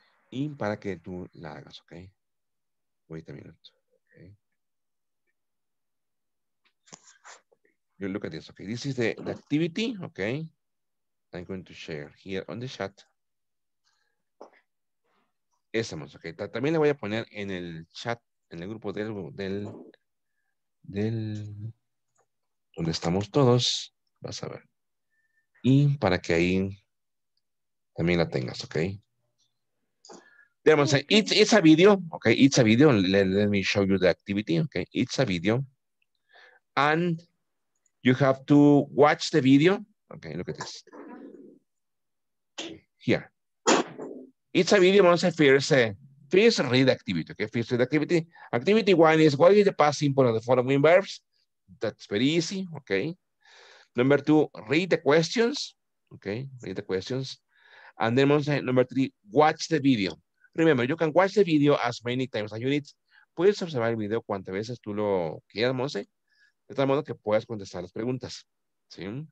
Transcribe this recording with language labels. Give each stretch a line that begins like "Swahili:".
Spanish: Y para que tú la hagas,
English: okay. Wait a minute. Okay. You look at this, okay. This is the activity, okay. I'm going to share here on the chat.
Spanish: Esa, Monse, okay. También la voy a poner en el chat, en el grupo del donde estamos todos, vas a ver. Y para que ahí también la tengas, ¿ok?
English: Digamos, it's a video, ¿ok? It's a video. Let me show you the activity, ¿ok? It's a video. And you have to watch the video. Ok, look at this. Here. It's a video,
Spanish: vamos a hacer
English: first read activity, ¿ok? First read activity. Activity one is, what is the past simple of the following verbs? That's very easy, okay. Number two, read the questions, okay. Read the questions, and then number three, watch the video. Remember, you can watch the video as many times as you need.
Spanish: Puedes observar el video cuantas veces tú lo quieras, Monse, de tal modo que puedas contestar las preguntas, ¿sí?